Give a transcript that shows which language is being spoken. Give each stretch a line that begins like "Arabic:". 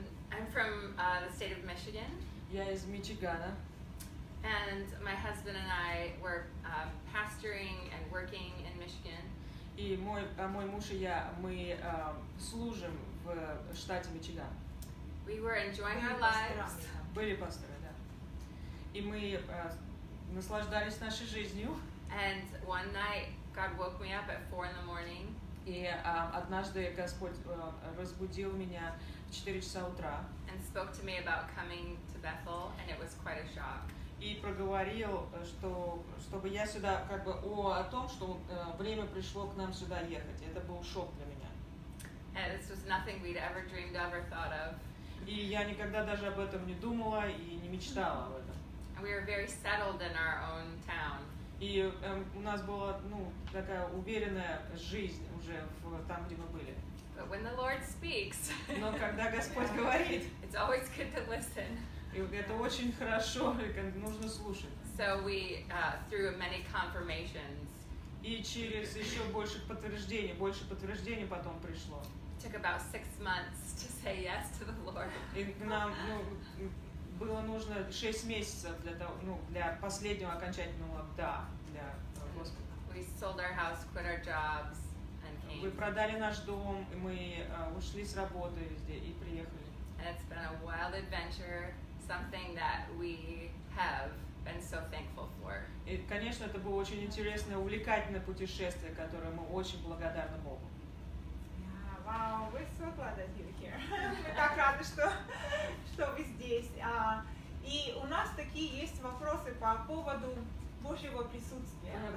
English: I'm from the state of Michigan.
Russian: Я из Мичигана.
English: And my husband and I were pastoring and working in Michigan.
Russian: И мой муж и я, мы служим в штате Мичиган.
English: We were enjoying our lives.
Russian: Были пасторы, да. И мы наслаждались нашей жизнью.
English: And one night God woke me up at 4 in the morning.
Russian: И однажды Господь разбудил меня в 4 часа утра.
English: And spoke to me about coming to Bethel, and it was quite a shock.
Russian: И проговорил, чтобы я сюда, как бы, о том, что время пришло к нам сюда ехать. Это был шок для меня.
English: And this was nothing we'd ever dreamed of or thought of.
Russian: И я никогда даже об этом не думала и не мечтала об этом.
English: And we were very settled in our own town.
Russian: И у нас была, ну, такая уверенная жизнь уже там, где мы были.
English: But when the Lord speaks,
Russian: но когда Господь говорит,
English: it's always good to listen.
Russian: И это очень хорошо, нужно слушать.
English: So we, through many confirmations,
Russian: и через еще больше подтверждений потом пришло.
English: Took about 6 months to say yes to the Lord.
Russian: И нам, ну, было нужно 6 месяцев для того, ну, для последнего окончательного да для Господа.
English: We sold our house, quit our jobs, and came.
Russian: Мы продали наш дом, и мы ушли с работы везде и приехали.
English: And it's been a wild adventure. Something that we have been so thankful for.
Russian: И, конечно, это было очень интересное, увлекательное путешествие, которое мы очень благодарны Богу.
English: Вау, yeah, wow, we're so glad that you're here.
Russian: Мы так рады, что вы здесь. И у нас такие есть вопросы по поводу Божьего присутствия.